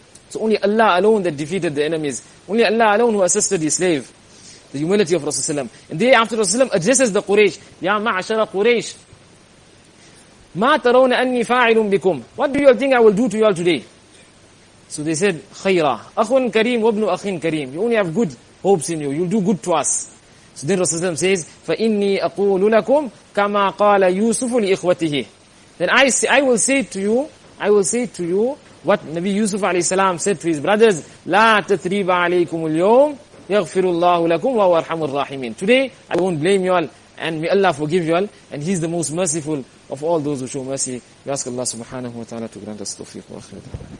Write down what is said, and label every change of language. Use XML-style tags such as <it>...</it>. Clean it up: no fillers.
<en>So only Allah alone that defeated the enemies. Only Allah alone who assisted his slave. The humility of Rasulullah. And thereafter, Rasulullah addresses the Quraysh.</en> <ar>Ya ma'ashara Quraysh, ma tarawna anni fa'ilun bikum.</ar> <en>What do you all think I will do to you all today? So they said,</en> <ar>khayra, akhun kareem wabnu akhin kareem.</ar> <en>You only have good hopes in you. You'll do good to us. So then Rasulullah says,</en> <ar>فَإِنِّي أَقُولُ لَكُمْ كَمَا قَالَ يُوسُفُ لِإِخْوَتِهِ.</ar> <en>Then I will say to you, what Nabi Yusuf a.s. said to his brothers,</en> <ar>لَا تَثْرِيبَ عَلَيْكُمُ الْيَوْمِ يَغْفِرُ اللَّهُ لَكُمْ وَوَرْحَمُ الرَّاحِمِينَ.</ar> <en>Today, I won't blame you all, and may Allah forgive you all, and He's the most merciful of all those who show mercy. We ask Allah subhanahu wa ta'ala to grant us tawfiq.</en>